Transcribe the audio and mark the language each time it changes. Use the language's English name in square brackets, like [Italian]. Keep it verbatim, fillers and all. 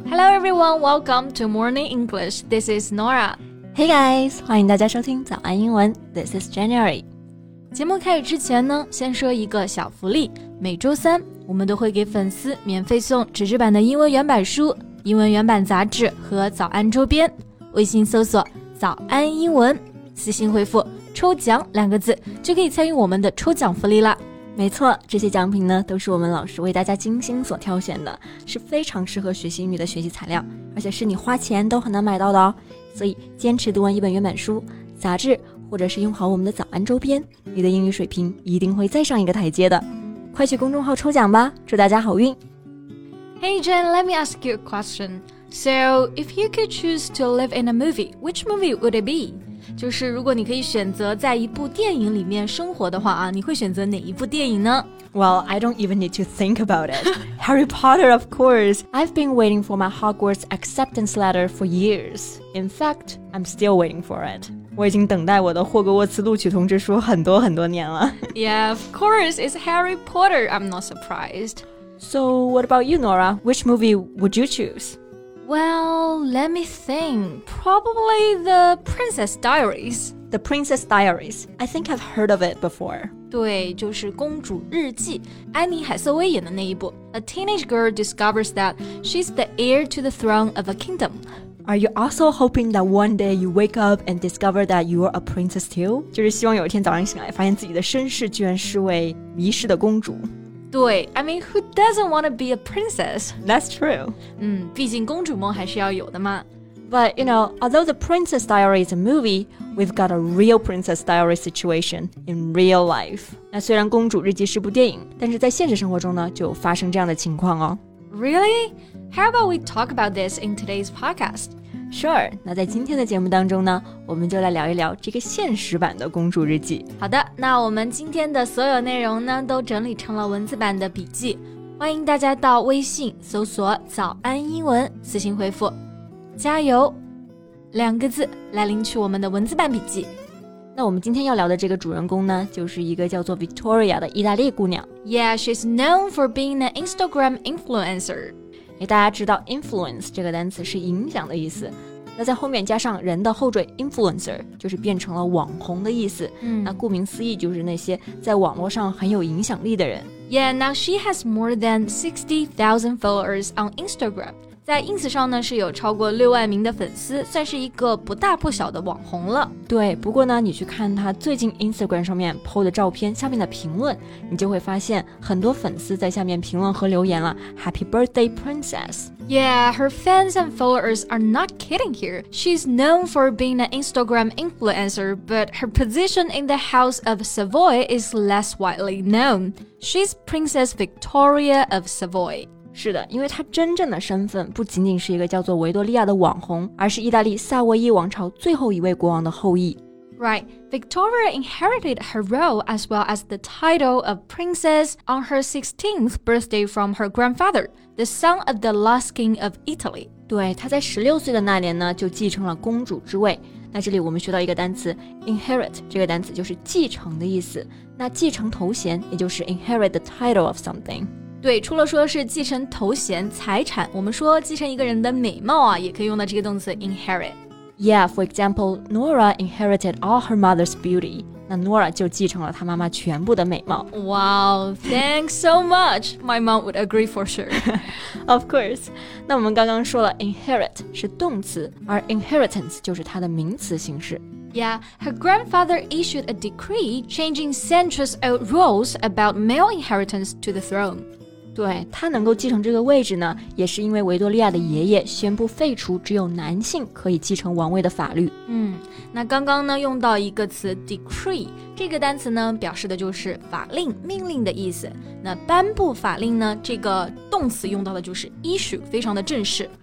[English] everyone, welcome to Morning English. This is Nora. Hey guys, [Chinese] 欢迎大家收听早安英文。 [English] This is January. [Chinese] 节目开始之前呢，先说一个小福利。每周三，我们都会给粉丝免费送纸质版的英文原版书、英文原版杂志和早安周边。微信搜索“早安英文”，私信回复“抽奖”两个字，就可以参与我们的抽奖福利啦。没错，这些奖品呢，都是我们老师为大家精心所挑选的，是非常适合学习英语的学习材料，而且是你花钱都很难买到的哦。所以，坚持读完一本原版书、杂志，或者是用好我们的早安周边，你的英语水平一定会再上一个台阶的。快去公众号抽奖吧，祝大家好运。 [English] Hey Jen, let me ask you a question. So, if you could choose to live in a movie, which movie would it be? [Chinese] 就是如果你可以选择在一部电影里面生活的话啊，你会选择哪一部电影呢？ [English] Well, I don't even need to think about it. Harry Potter, of course. I've been waiting for my Hogwarts acceptance letter for years. In fact, I'm still waiting for it. [Chinese] 我已经等待我的霍格沃茨录取通知书很多很多年了。 [English] Yeah, of course, it's Harry Potter. I'm not surprised. So, what about you, Nora? Which movie would you choose? Well, let me think. Probably The Princess Diaries. The Princess Diaries. I think I've heard of it before. [Chinese] 对，就是公主日记，安妮海瑟薇演的那一部。 [English] A teenage girl discovers that she's the heir to the throne of a kingdom. Are you also hoping that one day you wake up and discover that you are a princess too? [Chinese] 就是希望有一天早上醒来，发现自己的身世居然是位迷失的公主。 [English] 对 I mean, who doesn't want to be a princess? That's true. [Chinese] 嗯，毕竟公主梦还是要有的嘛。 [English] But, you know, although The Princess Diaries is a movie, we've got a real Princess Diaries situation in real life. [Chinese] 那虽然公主日记是部电影，但是在现实生活中呢，就发生这样的情况哦。 [English] Really? How about we talk about this in today's podcast? Sure. [Chinese] 那在今天的节目当中呢，我们就来聊一聊这个现实版的公主日记。好的，那我们今天的所有内容呢，都整理成了文字版的笔记。欢迎大家到微信搜索早安英文，私信回复加油两个字来领取我们的文字版笔记。那我们今天要聊的这个主人公呢，就是一个叫做 Victoria 的意大利姑娘。 [English] Yeah, she's known for being an Instagram influencer. [Chinese] 大家知道 influence 这个单词是影响的意思，那在后面加上人的后缀 influencer 就是变成了网红的意思、嗯、那顾名思义就是那些在网络上很有影响力的人。 [English] Yeah, now she has more than sixty thousand followers on Instagram. [Chinese] 在 ins 上呢是有超过六万名的粉丝，算是一个不大不小的网红了。对，不过呢你去看她最近 Instagram 上面 po 的照片下面的评论，你就会发现很多粉丝在下面评论和留言了 [English] Happy birthday princess. Yeah, her fans and followers are not kidding here. She's known for being an Instagram influencer, but her position in the House of Savoy is less widely known. She's Princess Victoria of Savoy. [Chinese] 是的，因为她真正的身份不仅仅是一个叫做维多利亚的网红，而是意大利萨沃伊王朝最后一位国王的后裔。 [English] Right, Victoria inherited her role as well as the title of princess on her sixteenth birthday from her grandfather, the son of the last king of Italy. [Chinese] 对，她在十六岁的那年呢，就继承了公主之位。那这里我们学到一个单词 inherit 这个单词就是继承的意思，那继承头衔也就是 [English] inherit the title of something。 [Chinese] 对，除了说是继承头衔、财产，我们说继承一个人的美貌啊，也可以用到这个动词 inherit。 [English] Yeah, for example, Nora inherited all her mother's beauty. [Chinese] 那 Nora 就继承了她妈妈全部的美貌。 [English] Wow, thanks so much. My mom would agree for sure. Of course. [Chinese] 那我们刚刚说了 inherit 是动词，而 inheritance 就是它的名词形式。 [English] Yeah, her grandfather issued a decree changing centuries old rules about male inheritance to the throne. [Chinese] 对，她能够继承这个位置呢，也是因为维多利亚的爷爷宣布废除只有男性可以继承王位的法律。嗯，那刚刚呢用到一个词 decree， 这个单词呢表示的就是法令、命令的意思。那颁布法令呢，这个动词用到的就是 issue， 非常的正式。